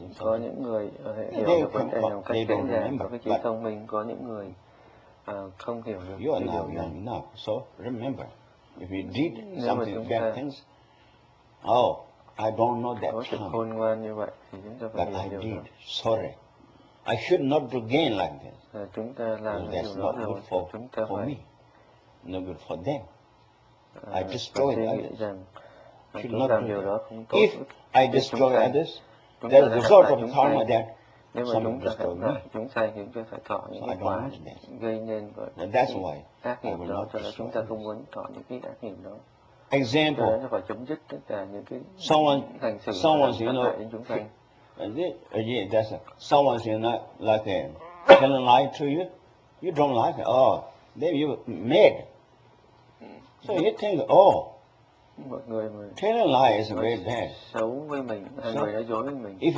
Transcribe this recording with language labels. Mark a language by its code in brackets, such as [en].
[vi] Có những người hiểu được vấn đề một cách kỹ càng, có cái trí thông minh. Có những người không hiểu được. [en] You are now young enough, so remember, if you did something bad things, oh, I don't know that time. But I did. Sorry, I should not do gain like this. [vi] Chúng ta làm [en] that's not good for me. No good for them. I destroyed others. If I destroy others, there is a result of karma that someone destroyed me. So I don't want that. That's why I will not destroy. Example, someone's, you know, like telling lie to you, you don't like it. Oh, then you mad. So you think, oh, telling lie is very bad. [vi] Xấu với mình, so, người đã dối với mình.